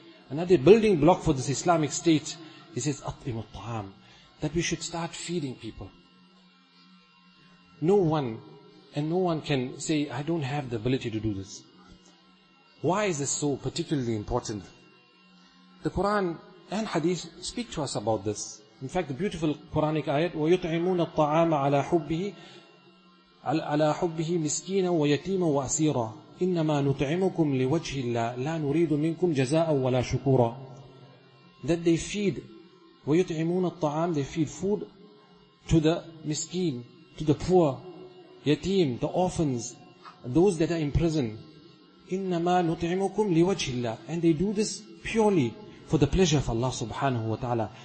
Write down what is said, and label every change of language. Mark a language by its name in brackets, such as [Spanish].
[English] Another building block for this Islamic state. He says, [Arabic] أَطْعِمُ الطَّعَامُ. [English] That we should start feeding people. No one can say, I don't have the ability to do this. Why is this so particularly important? The Quran and hadith speak to us about this. In fact, the beautiful Quranic ayat, [Arabic] وَيُطْعِمُونَ الطَّعَامَ عَلَى حُبِّهِ عَلَى حُبِّهِ مِسْكِينًا وَيَتِيمًا وَأَسِيرًا إِنَّمَا نُطْعِمُكُمْ لِوَجْهِ اللَّهِ لَا نُرِيدُ مِنْكُمْ جَزَاءً وَلَا شُكُورًا. [English] That they feed, [Arabic] وَيُطْعِمُونَ الطَّعَامَ, [English] they feed food to the miskeen, to the poor, yatim, the orphans, those that are in prison. [Arabic] إِنَّمَا نُطْعِمُكُمْ لِوَجْهِ اللَّهِ. [English] And they do this purely for the pleasure of Allah subhanahu wa ta'ala.